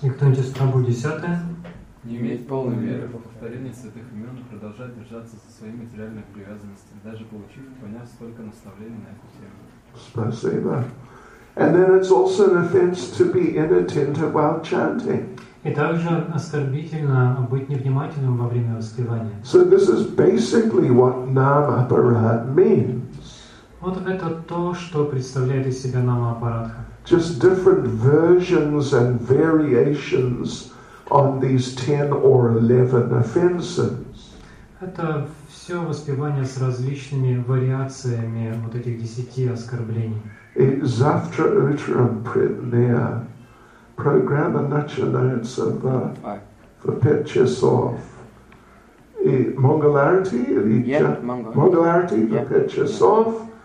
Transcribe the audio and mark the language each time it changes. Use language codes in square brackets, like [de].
[ru] Никто не оскорбил десятое. Не иметь полной меры по повторению святых имен, продолжать держаться за свои материальные привязанности, даже получив и поняв столько наставлений на эту тему. Спасибо. [en] And then it's also an offense to be inattentive while chanting. [ru] И также оскорбительно быть невнимательным во время воспевания. [en] So this is basically what Namaparad means. [ru] Вот это то, что представляет из себя Намапарадха. [en] Just different versions and variations on these 10 or 11 offenses. [ru] Это все воспевание с различными вариациями вот этих 10 оскорблений. Завтра утром предная программа начинается в 5 часов. И Mangalarti или Mangalarti в 5 часов.